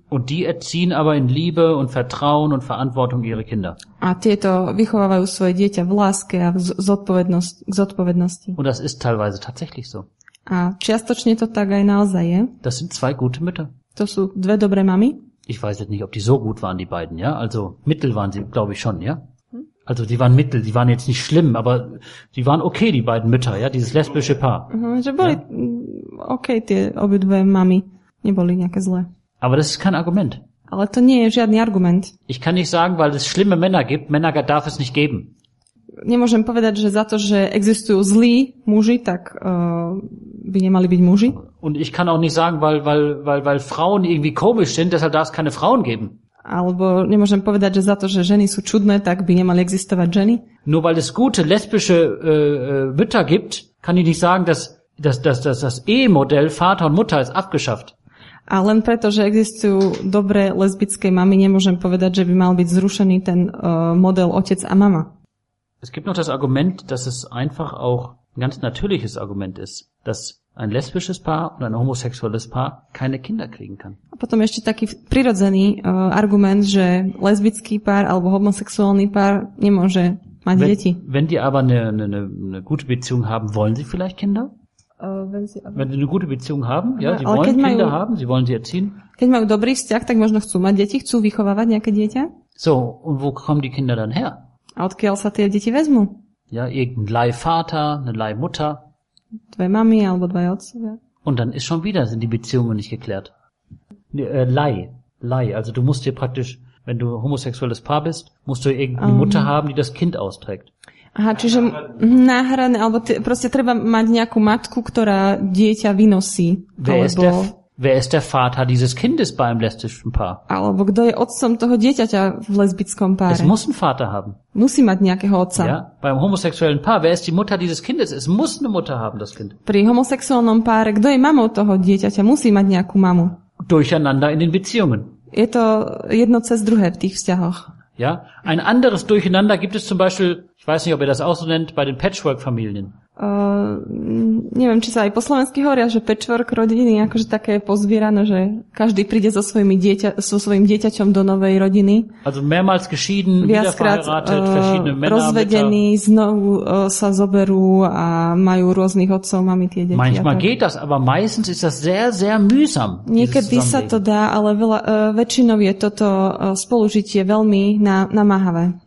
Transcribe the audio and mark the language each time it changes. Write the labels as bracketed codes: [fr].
[de] Und die erziehen aber in Liebe und Vertrauen und Verantwortung ihre Kinder. [sk] A tieto vychovávajú svoje dieťa v láske a k zodpovednosti. [de] Und das ist teilweise tatsächlich so. [sk] A čiastočne to tak aj naozaj je. [de] Das sind zwei gute Mütter. [sk] To sú dve dobré mami. [de] Ich weiß jetzt nicht, ob die so gut waren, die beiden, ja? Also mittel waren sie, glaube ich schon, ja? Also die waren mittel, die waren jetzt nicht schlimm, aber die waren okay, die beiden Mütter, ja? Dieses lesbische Paar. Sie waren okay, die [sk] obidve mami. Nie boli nejaké zlé. [de] Aber das ist kein Argument. [sk] Ale to nie je žiadny argument. [de] Ich kann nicht sagen, weil es schlimme Männer gibt, Männer darf es nicht geben. [sk] Nemôžem povedať, že za to, že existujú zlí muži, tak by nemali byť muži. [de] Und ich kann auch nicht sagen, weil Frauen irgendwie komisch sind, deshalb darf es keine Frauen geben. [sk] Alebo nemôžem povedať, že za to, že ženy sú čudné, tak by nemali existovať ženy. [de] No, weil es gute lesbische Mütter gibt, kann ich nicht sagen, dass das E-Modell Vater und Mutter ist abgeschafft. [sk] A len preto, že existujú dobré lesbické mamy, nemôžem povedať, že by mal byť zrušený ten model otec a mama. [de] Es gibt noch das Argument, dass es einfach auch ein ganz natürliches Argument ist, dass ein lesbisches Paar und ein homosexuelles Paar keine Kinder kriegen kann. [sk] A potom ešte taký prirodzený argument, že lesbický pár alebo homosexuálny pár nemôže mať deti. [de] Wenn die aber eine gute Beziehung haben, wollen sie vielleicht Kinder? Wenn sie eine gute Beziehung haben, ja, sie wollen Kinder haben, sie wollen sie erziehen. [sk] Keď majú dobrý vzťah, tak možno chcú mať deti, chcú vychovávať nejaké dieťa. [de] So, und wo kommen die Kinder dann her? [sk] A odkiaľ sa tie deti vezmú? [de] Ja, irgendein Leihvater, eine Leihmutter. [sk] Dve mami alebo dve otcovia. [de] Und dann ist schon wieder, sind die Beziehungen nicht geklärt. Leih, also du musst dir praktisch, wenn du homosexuelles Paar bist, musst du irgendeine Mutter haben, die das Kind austrägt. [sk] Aha, čiže náhradné, alebo proste treba mať nejakú matku, ktorá dieťa vynosí. [de] Wer ist der Vater dieses Kindes beim lesbischen Paar? [sk] Alebo kto je otcom toho dieťaťa v lesbickom páre? [de] Es muss einen Vater haben. [sk] Musí mať nejakého otca. [de] Ja, beim homosexuellen Paar, wer ist die Mutter dieses Kindes? Es muss eine Mutter haben, das Kind. [sk] Pri homosexuálnom páre, kto je mamou toho dieťaťa? Musí mať nejakú mamu. [de] Durcheinander in den Beziehungen. [sk] Je to jedno cez druhé v tých vzťahoch. [de] Ja, ein anderes Durcheinander gibt es zum Beispiel, ich weiß nicht, ob ihr das auch so nennt, bei den Patchwork-Familien. [sk] Neviem, či sa aj po slovensky hovoria, že patchwork rodiny, akože také pozvierané, že každý príde so svojimi dieťaťom do novej rodiny. [de] Also mehrmals geschieden, wiederverheiratet, verschiedene Männer. [sk] Rozvedení, znovu sa zoberú a majú rôznych otcov, mami tie deti. [de] Manchmal geht das, aber meistens ist das sehr, sehr mühsam. [sk] Niekedy sa to dá, ale väčšinou je toto spolužitie veľmi namáhavé.